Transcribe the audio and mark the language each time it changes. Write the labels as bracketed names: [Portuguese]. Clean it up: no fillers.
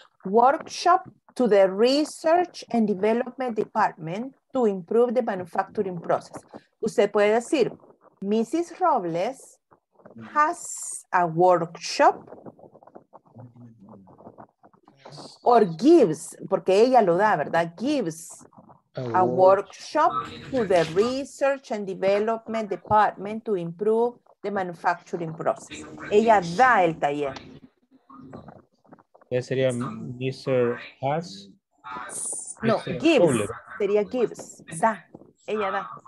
[English] Workshop to the research and development department to improve the manufacturing process. [Spanish] Usted puede decir... Mrs. [English] Robles has a workshop or gives, [Spanish] porque ella lo da, ¿verdad? [English] Gives a workshop to the research and development department to improve the manufacturing process. [Spanish] Ella da el taller. ¿Sería Mr. Has? No, gives. Sería gives. Da. Ella da.